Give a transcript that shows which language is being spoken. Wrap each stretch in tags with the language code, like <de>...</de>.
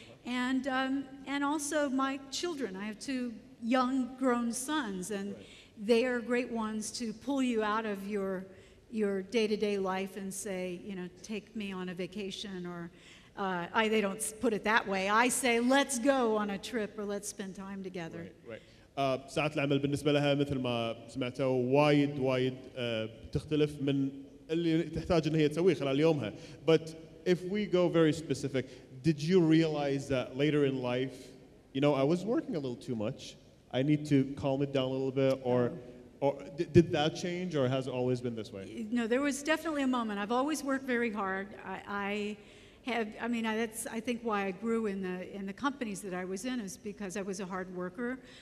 <en>And also my children. I have two young grown sons, and right. they are great ones to pull you out of your day-to-day life and say, you know, take me on a vacation, or they don't put it that way. I say, let's go on a trip, or let's spend time together. Right.</en> <ar>ساعات العمل بالنسبة لها مثل ما سمعتوا وايد وايد تختلف من اللي تحتاج إن هي تسويه خلال يومها.</ar> <en>But if we go very specific, did you realize that later in life, you know, I was working a little too much. I need to calm it down a little bit. Or did that change, or has it always been this way? No, there was definitely a moment. I've always worked very hard. I think why I grew in the companies that I was in is because I was a hard worker.</en>